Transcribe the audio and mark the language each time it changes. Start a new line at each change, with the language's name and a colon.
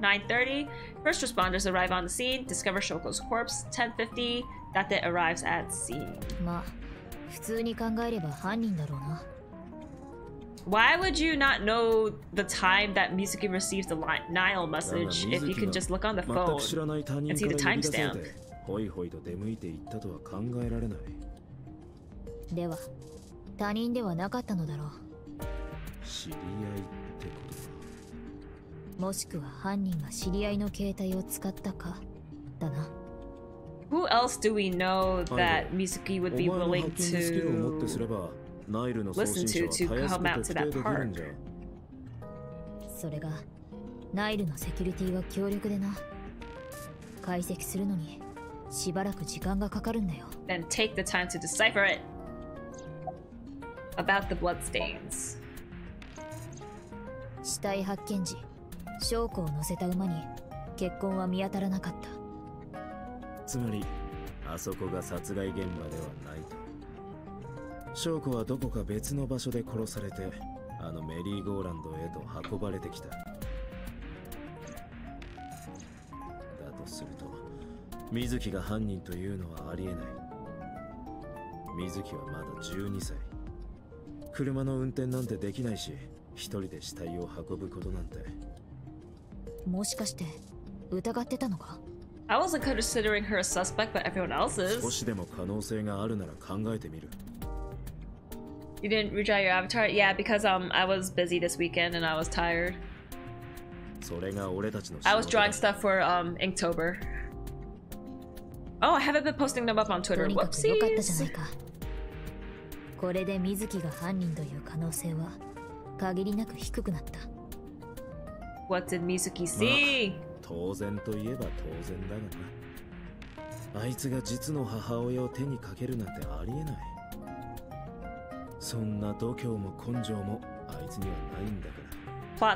English: 9:30, first responders arrive on the scene, discover Shoko's corpse. 10:50, Date arrives at scene.
Japanese: まあ、普通に考えれば犯人だろうな。
English: Why would you not know the time that Mizuki receives the Nile message if you can just look on the phone and see the timestamp?
Japanese: ホイホイと出向いて行ったとは考えられない。では、他人ではなかったのだろう。知り合いってことか。もしくは犯人が知り合いの携帯を使ったかだな。
English: Who else do we know that Mizuki would be willing to? Listen to come out to that park.
Japanese: それがナイルのセキュリティは強力でな。解析するのにしばらく時間がかかるんだよ。
English: Then take the time to decipher it. About the bloodstains.
Japanese: 死体発見時、証拠を乗せた馬に血痕は見当たらなかった。つまり、あそこが殺害現場ではないと。証拠はどこか別の場所で殺されて、あのメリーゴーランドへと運ばれてきた。だとすると、水木が犯人というのはありえない。水木はまだ12歳。車の運転なんてできないし、一人で死体を運ぶことなんて。もしかして、疑ってたのか？
English: I wasn't considering her a suspect, but everyone else is.
Japanese: 少しでも可能性があるなら考えてみる。
English: You didn't redraw your avatar? Yeah, because I was busy this weekend and I was tired.
Japanese: それが俺たちの仕事だ。
English: I was drawing stuff for Inktober. Oh, I haven't been posting them up on Twitter. Whoopsies!
Japanese: とにかく良かったじゃないか。これで水木が犯人という可能性は限りなく低くなった。
English: What did Mizuki see?、ま
Japanese: あ、当然といえば当然だがな。あいつが実の母親を手にかけるなんてありえない。そんな度胸も根性もあいつにはないんだから。